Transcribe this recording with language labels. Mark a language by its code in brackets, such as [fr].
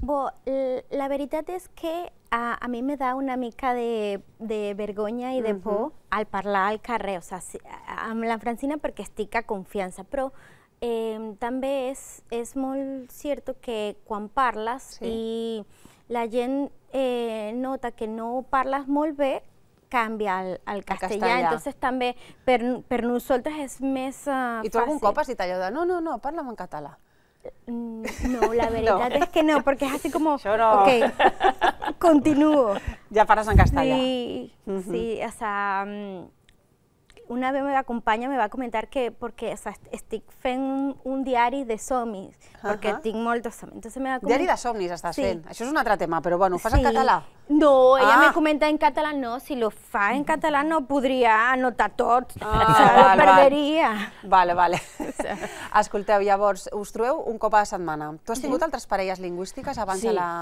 [ca] Bo, la veritat és que a mi [es] me da [ca] una mica de vergonya i de por al parlar al carrer, o sea, amb la Francina, perquè estic a confiança, però també és molt cert que quan parles i la gent nota que no parles molt bé, canvia al castellà. Entonces també per nosaltres és més fàcil. I tu algun cop has dit allò de no, parla'm en català? No, la veritat és que no, perquè és així com, ok, continuo. Ja parles en castellà. [es] Sí, o sea, una vez me acompaña, me va a comentar que porque o sea, [ca] estic fent un diari de somnis, [es] porque [ca] tinc moltos somnis. Diari de somnis estàs fent. Això és un altre tema, però bueno, ho fas en català. No, [es] ella me comenta [ca] en català, no, si lo fa en català no podria anotar tot, lo perderia. Vale, vale. Escolteu, llavors, us trobeu un cop a la setmana. Tu has tingut altres parelles lingüístiques abans de la...